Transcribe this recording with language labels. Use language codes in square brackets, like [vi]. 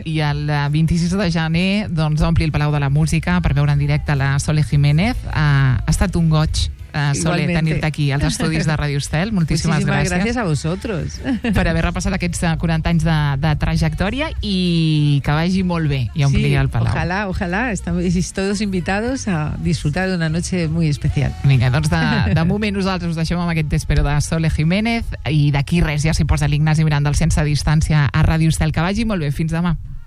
[ca] i el 26 de gener doncs, ompli el Palau de la Música per veure en directe la Sole Jiménez. Ha estat un goig. Sole, tenir-te aquí als estudis de Ràdio Estel. Moltíssimes gràcies. Gràcies a vosaltres. Per haver repassat aquests 40 anys de trajectòria i que vagi molt bé i omplir sí, el Palau. [es] Ojalá. Estamos todos invitados a disfrutar d'una noche muy especial. [ca] Vinga, doncs de moment nosaltres us deixem amb aquest Espero de Sole Jiménez i d'aquí res, ja s'hi posa l'Ignasi Miranda al Sense Distància a Ràdio Estel. Que vagi molt bé. Fins demà.